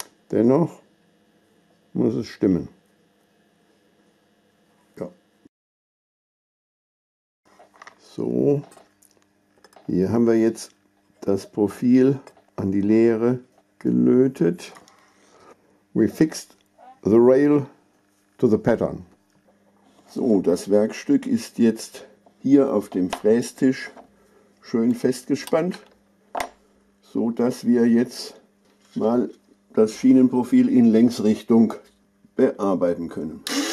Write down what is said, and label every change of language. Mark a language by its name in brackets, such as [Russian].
[German] Dennoch muss es stimmen. Ja. So, hier haben wir jetzt das Profil an die Leere gelötet. [English] We fixed the rail to the pattern. [German] So, das Werkstück ist jetzt hier auf dem Frästisch schön festgespannt, so dass wir jetzt mal das Schienenprofil in Längsrichtung bearbeiten können.